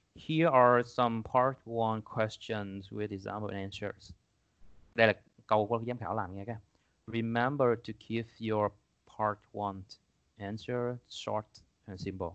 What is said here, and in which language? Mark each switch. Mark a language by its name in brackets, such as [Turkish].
[English] Here are some part 1 questions with example answers. [Vietnamese] Đây là câu của giám khảo làm nha các em. [English] Remember to keep your part 1 answer short and simple.